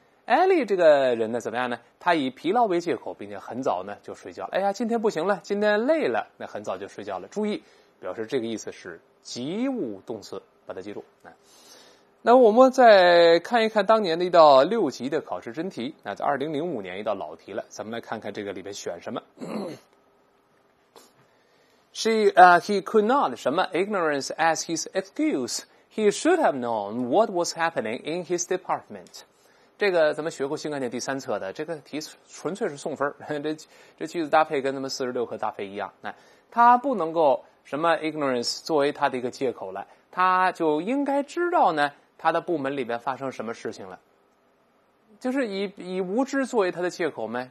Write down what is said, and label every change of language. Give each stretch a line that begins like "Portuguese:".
Chinese: 艾莉这个人呢怎么样呢，他以疲劳为借口，并且很早呢就睡觉了。哎呀，今天不行了，今天累了，那很早就睡觉了。注意，表示这个意思是及物动词，把它记住。那我们再看一看当年的一道六级的考试真题，那在2005年一道老题了，咱们来看看这个里面选什么。
English: He could not
Chinese: 什么
English: ignorance as his excuse. He should have known what was happening in his department.
Chinese: 这个咱们学过新概念第三册的这个题纯粹是送分，这句子搭配跟咱们46课搭配一样，他不能够什么 ignorance 作为他的一个借口来，他就应该知道呢他的部门里边发生什么事情了，就是以无知作为他的借口吗？